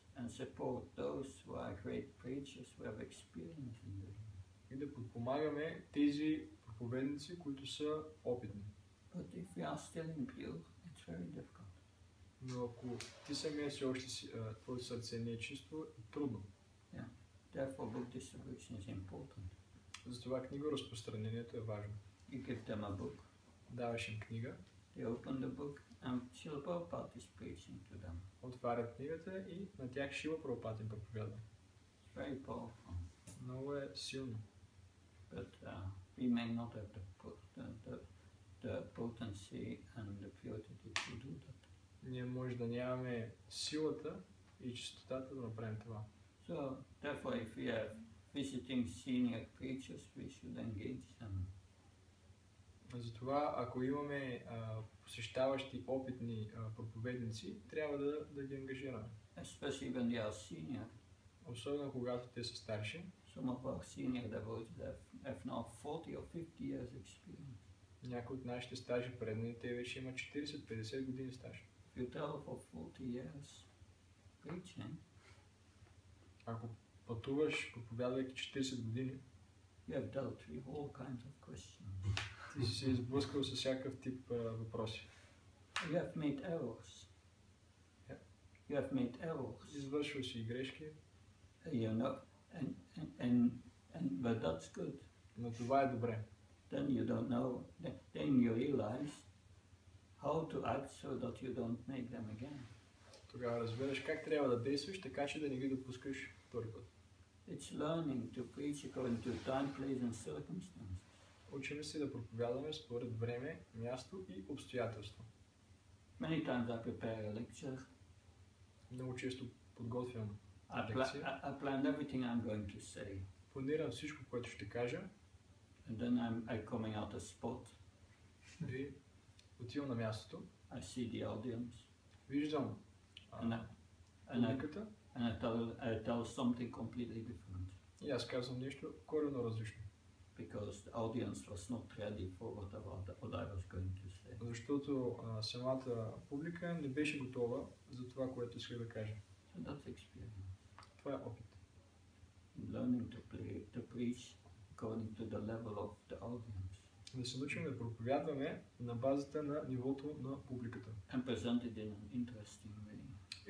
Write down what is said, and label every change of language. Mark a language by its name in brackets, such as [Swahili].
[English] And support those who are great preachers who have experience in them. [Bulgarian] И да подпомагаме тези проповедници, които са опитни. [English] But if we are still impure, it's very difficult. [Bulgarian] Но ако ти самия си още си, твое сърце не е чисто, е трудно. [English] Yeah. Therefore, book distribution is important. [Bulgarian] Затова книга разпространението е важно. [English] You give them a book. [Bulgarian] Даваш им книга. [English] They open the book. And Srila Prabhupada is preaching to them. [Bulgarian] Отварят книгата и на тях Шрила Прабхупада им проповядва. [English] Very powerful. [Bulgarian] Много е силно. [English] But we may not have the potency and the purity to do that. [Bulgarian] Ние може да нямаме силата и чистотата да направим това. [English] So, therefore, if we are visiting senior preachers, we should engage them. [Bulgarian] Затова, ако имаме посещаващи опитни проповедници, трябва да ги ангажираме. [English] Especially when they are senior. [Bulgarian] Особено когато те са старши. [English] Some of our senior devotees have now 40 or 50 years experience. [Bulgarian] Някои от нашите стажи предни, те вече имат 40-50 години стаж. [English] If you travel for 40 years preaching, [Bulgarian] ако пътуваш, проповядвайки 40 години, [English] you have dealt with all kinds of questions. [Bulgarian] Ти си се изблъскал с всякакъв тип въпроси. [English] You have made errors. Yeah. You have made errors. [Bulgarian] Извършил си грешки. [English] You know, and but that's good. [Bulgarian] Но това е добре. [English] Then you don't know. Then you realize how to act so that you don't make them again. [Bulgarian] Тогава разбираш как трябва да действаш, така че да не ги допускаш втори път. [English] It's learning to preach according to time, place and circumstances. [Bulgarian] Учим се да проповядваме според време, място и обстоятелство. [English] Many times I prepare a lecture. [Bulgarian] Много често подготвям лекция. [English] I plan everything I'm going to say. [Bulgarian] Планирам всичко, което ще кажа. [English] And then I'm coming out a spot. [Bulgarian] И отивам на мястото. [English] I see the audience. [Bulgarian] Виждам публиката. [English] And I tell something completely different. [Bulgarian] И аз казвам нещо коренно различно. [English] Because the audience was not ready for what I was going to say. [Bulgarian] Защото самата публика не беше готова за това, което исках да кажа. [English] And that's experience. [Bulgarian] Това е опит. [English] Learning to preach according to the level of the audience. [Bulgarian] Да се научим да проповядваме на базата на нивото на публиката. [English] And present it in an interesting way.